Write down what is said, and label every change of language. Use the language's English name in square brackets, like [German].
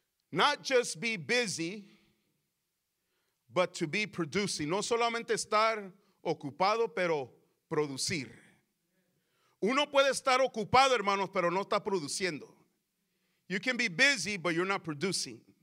[English] Not just be busy, but to be producing. [Spanish] No solamente estar ocupado, pero producir. Uno puede estar ocupado, hermanos, pero no está produciendo. [English] You can be busy, but you're not producing.